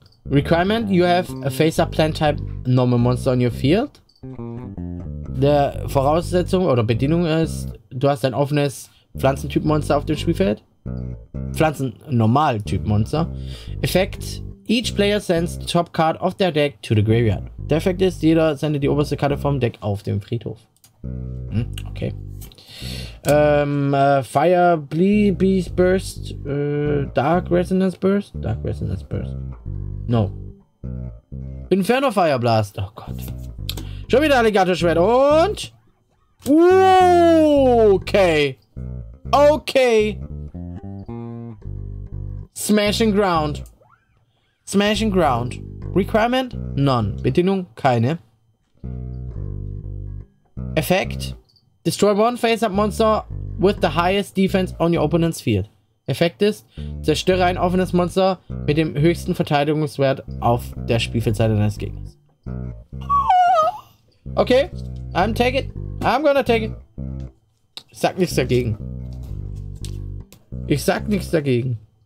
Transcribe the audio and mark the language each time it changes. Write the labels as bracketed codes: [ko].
[en] Requirement, you have a face-up plant type normal monster on your field. [de] Der Voraussetzung oder Bedingung ist, du hast ein offenes Pflanzentyp-Monster auf dem Spielfeld. Pflanzen-Normal-Typ-Monster. Effekt, [en] each player sends the top card of their deck to the graveyard. [de] Der Effekt ist, jeder sendet die oberste Karte vom Deck auf dem Friedhof. [en] Hm, okay. Fire Beast Burst, Dark Resonance Burst? Dark Resonance Burst. No. [de] Inferno Fire Blast. Oh Gott. Schon wieder Alligator-Schwert und... Okay. Okay. [en] Smashing Ground. Smashing Ground. Requirement? None. [de] Bedingung? Keine. Effekt? [en] Destroy one face-up monster with the highest defense on your opponent's field. [de] Effekt ist, zerstöre ein offenes Monster mit dem höchsten Verteidigungswert auf der Spielfeldseite deines Gegners. [en] Okay, I'm take it. I'm gonna take it. [de] Ich sag nichts dagegen. Ich sag nichts dagegen.